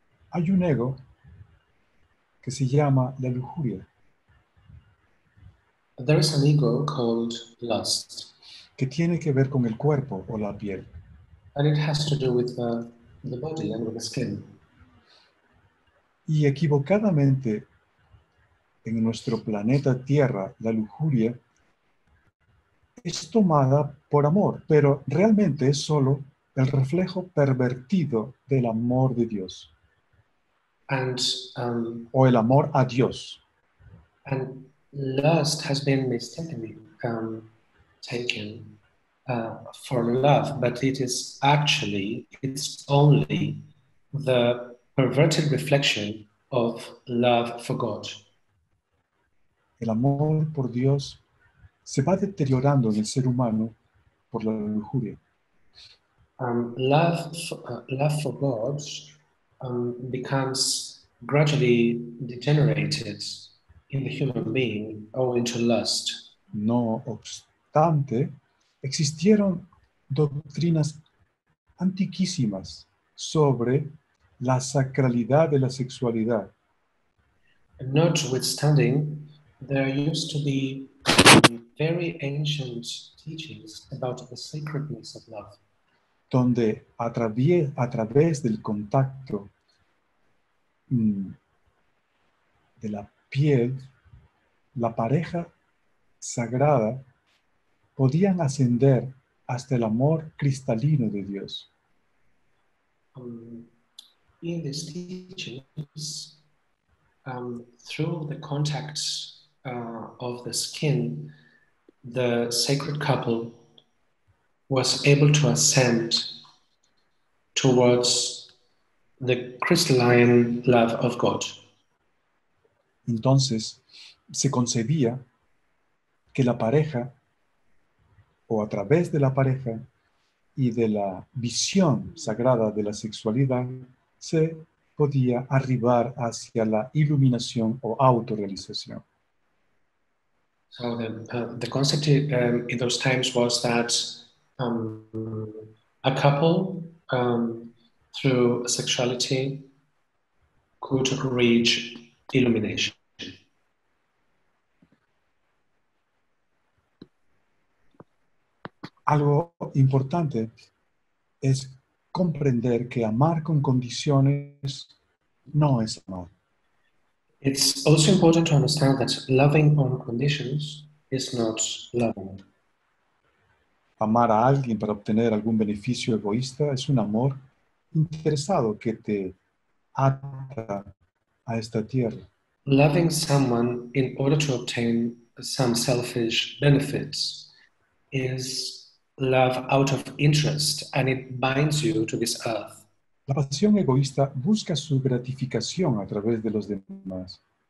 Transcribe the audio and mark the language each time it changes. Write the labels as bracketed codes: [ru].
[es] Hay un ego que se llama la lujuria. [en] There is an ego called lust. [es] Que tiene que ver con el cuerpo o la piel. [en] And it has to do with the body and with the skin. [es] Y equivocadamente, en nuestro planeta Tierra, la lujuria es tomada por amor, pero realmente es solo el reflejo pervertido del amor de Dios. [en] And, [es] o el amor a Dios. [en] And lust has been mistakenly taken for love, but it is actually, it's only the perverted reflection of love for God. [es] El amor por Dios se va deteriorando en el ser humano por la lujuria. [en] Love for God becomes gradually degenerated in the human being owing to lust. [es] No obstante, existieron doctrinas antiquísimas sobre la sacralidad de la sexualidad. [en] Notwithstanding, there used to be very ancient teachings about the sacredness of love. [es] Donde a través del contacto de la piel, la pareja sagrada podían ascender hasta el amor cristalino de Dios. [en] In these teachings, through the contacts of the skin, the sacred couple was able to ascend towards the crystalline love of God. [es] Entonces, se concebía que la pareja, o a través de la pareja y de la visión sagrada de la sexualidad, se podía arribar hacia la iluminación o autorrealización. [en] So the concept in those times was that a couple through sexuality could reach illumination. [es] Algo importante es comprender que amar con condiciones no es amor. [en] It's also important to understand that loving on conditions is not loving. [es] Amar a alguien para obtener algún beneficio egoísta es un amor interesado que te ata a esta tierra. [en] Loving someone in order to obtain some selfish benefits is love out of interest, and it binds you to this earth. [es] La pasión egoísta busca su gratificación a través de los demás.